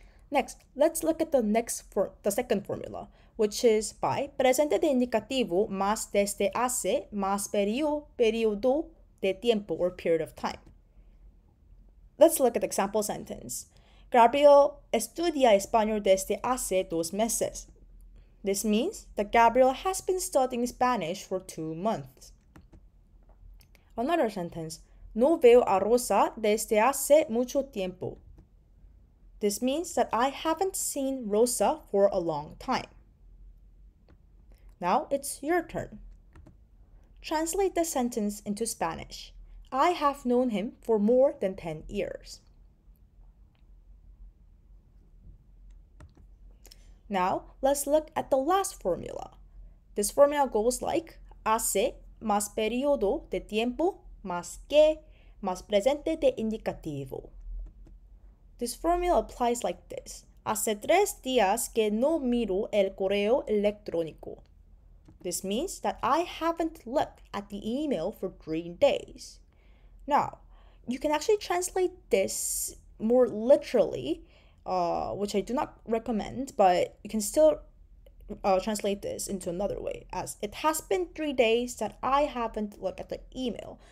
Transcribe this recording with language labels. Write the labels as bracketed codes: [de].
[en] Next, let's look at the second formula, which is by [es] presente de indicativo más desde hace más periodo de tiempo [en] or period of time. Let's look at the example sentence. [es] Gabriel estudia español desde hace 2 meses. [en] This means that Gabriel has been studying Spanish for 2 months. Another sentence, [es] no veo a Rosa desde hace mucho tiempo. [en] This means that I haven't seen Rosa for a long time. Now it's your turn. Translate the sentence into Spanish. I have known him for more than 10 years. Now, let's look at the last formula. This formula goes like [es] hace más periodo de tiempo más que más presente de indicativo. [en] This formula applies like this. [es] Hace 3 días que no miro el correo electrónico. [en] This means that I haven't looked at the email for 3 days. Now, you can actually translate this more literally, which I do not recommend, but you can still translate this into another way as it has been 3 days that I haven't looked at the email.